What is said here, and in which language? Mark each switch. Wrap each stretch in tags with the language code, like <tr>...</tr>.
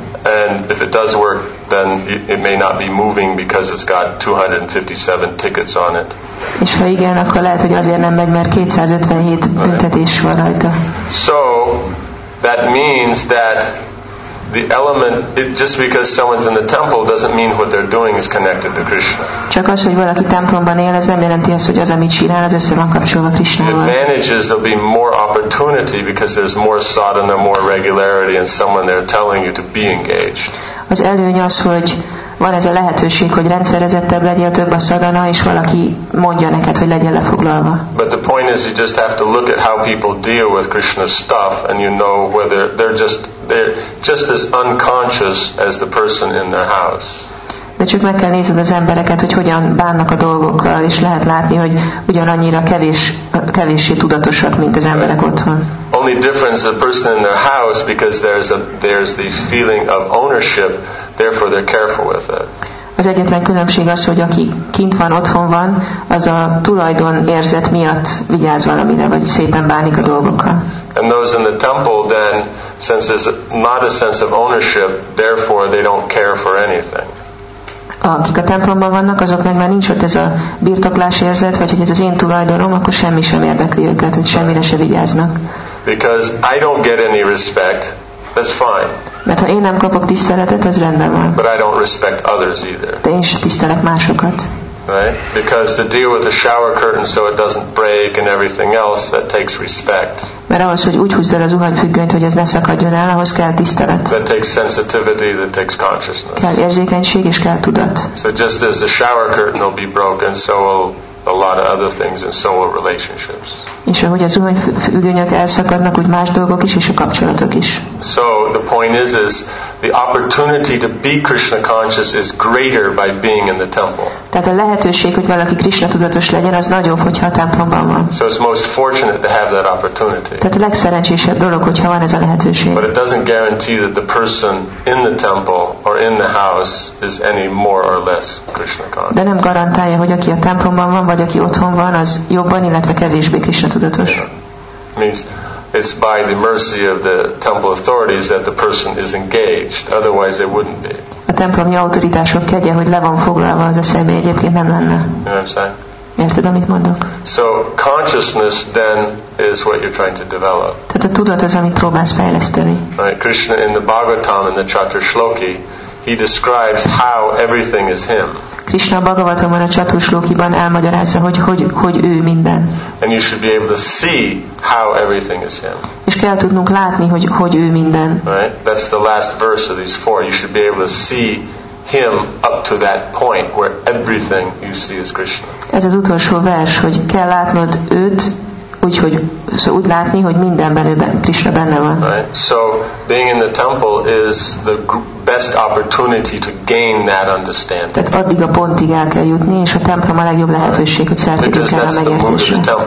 <en>And if it does work, then it may not be moving because it's got 257 tickets on it.</en> <hu>És ha igen, akkor lehet, hogy azért nem megy, mert 257 büntetés van rajta.</hu> <en>So, that means that the element, it, just because someone's in the temple doesn't mean what they're doing is connected to Krishna.</en> <hu>Csak az, hogy valaki templomban él, ez nem jelenti azt, hogy az, amit csinál, az össze van kapcsolva Krishnával.</hu> <en>The advantage is there'll be more opportunity because there's more sadhana, more regularity, and someone there telling you to be engaged.</en> <hu>Az előny az, hogy van ez a lehetőség, hogy rendszerezettebb legyél, több a szadana, és valaki mondja neked, hogy legyél lefoglalva.</hu> <en>But the point is, you just have to look at how people deal with Krishna's stuff, and you know whether they're just as unconscious as the person in their house.</en> <hu>De csak meg kell nézned az embereket, hogy hogyan bánnak a dolgokkal, és lehet látni, hogy ugyanannyira kevéssé tudatosak, mint az emberek otthon.</hu> <en>Only difference is the person in their house, because there's the feeling of ownership, therefore they're careful with it.</en> <hu>Az egyetlen különbség az, hogy aki kint van, otthon van, az a tulajdon érzet miatt vigyáz valamire, vagy szépen bánik a dolgokkal.</hu> <en>And those in the temple then since there's not a sense of ownership, therefore they don't care for anything.</en> <hu>Akik a templomban vannak, azoknak már nincs ott ez a birtoklás érzet, vagy hogy ez az én tulajdonom, akkor semmi sem érdekli őket, hogy semmire se vigyáznak.</hu> <en>Because I don't get any respect, that's fine.</en> <hu>Mert ha én nem kapok tiszteletet, az rendben van.</hu> <en>But I don't respect others either.</en> <hu>De én sem tisztelek másokat.</hu> <en>Right? Because to deal with the shower curtain so it doesn't break and everything else, that takes respect.</en> <hu>Mert ahhoz, hogy úgy húzzál a zuhanyfüggönyt, hogy ez ne szakadjon el, ahhoz kell tisztelet.</hu> <en>That takes sensitivity, that takes consciousness.</en> <hu>Kell érzékenység és kell tudat.</hu> <en>So just as the shower curtain will be broken, so will a lot of other things and so will relationships.</en> <hu>És ahogy a zuhanyfüggönyök elszakadnak, úgy más dolgok is és a kapcsolatok is.</hu> <en>So the point is the opportunity to be Krishna conscious is greater by being in the temple.</en> <hu>Tehát a lehetőség, hogy valaki Krishna tudatos legyen, az nagyobb, hogyha a templomban van.</hu> <en>So it's most fortunate to have that opportunity.</en> <hu>Tehát a legszerencsésebb dolog, hogyha van ez a lehetőség.</hu> <en>But it doesn't guarantee that the person in the temple or in the house is any more or less Krishna conscious.</en> <hu>De nem garantálja, hogy aki a templomban van, vagy aki otthon van, az jobban, illetve kevésbé Krishna tudatos.</hu> <en>Means it's by the mercy of the temple authorities that the person is engaged. Otherwise, it wouldn't be.</en> <hu>A templomi autoritások kedje, hogy le van foglalva az a személy, egyébként nem lenne.</hu> <en>You know what I'm saying?</en> <hu>Érted, amit mondok?</hu> <en>So consciousness then is what you're trying to develop.</en> <hu>Tehát a tudat az, amit próbálsz fejleszteni.</hu> <en>Right? Krishna in the Bhagavatam in the Chaturshloki, he describes how everything is him.</en> <hu>Krishna Bhagavatamon a Chaturshlokiban elmagyarázza, hogy ő minden.</hu> <en>And you should be able to see how everything is him.</en> <hu>És kell tudnunk látni, hogy ő minden.</hu> <en>Right? That's the last verse of these four. You should be able to see him up to that point where everything you see is Krishna.</en> <hu>Ez az utolsó vers, hogy kell látnod őt, úgyhogy szóval úgy látni, hogy mindenben őben Krishna benne van.</hu> <en>Right? So being in the temple is the best opportunity to gain that understanding.</en> <hu>Tehát addig a pontig el kell jutni, és a templom a legjobb lehetőség, hogy szertudjuk el a megértésre.</hu>